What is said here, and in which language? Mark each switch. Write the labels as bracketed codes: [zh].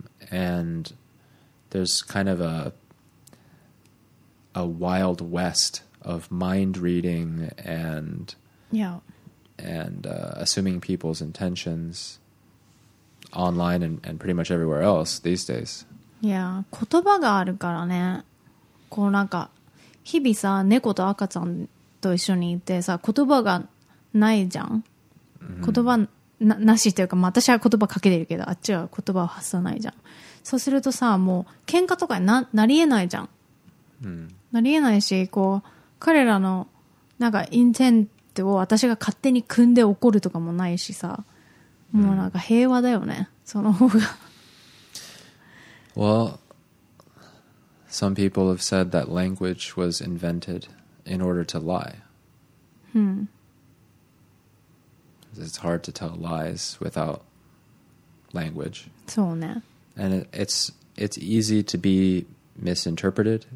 [en] And there's kind of a wild west of mind reading and... Yeah. And assuming people's intentions online and pretty much everywhere else these days. [ja] Yeah, 言葉があるからね。こうなんか日々さ、猫と赤ちゃんと一緒にいてさ、言葉がないじゃん。言葉 なしというか、まあ、私は言葉かけてるけど、あっちは言葉を発さないじゃん。そうするとさ、もう喧嘩とかに なりえないじゃん。なりえないし、こう彼らのなんかインテン私が勝手に組んで怒るとかもないしさ、もうなんか平和だよね、その方が。 [en] Well, some people have said that language was invented in order to lie. It's hard to tell lies without language. [ja] そうね。 [en] And it's easy to be misinterpreted.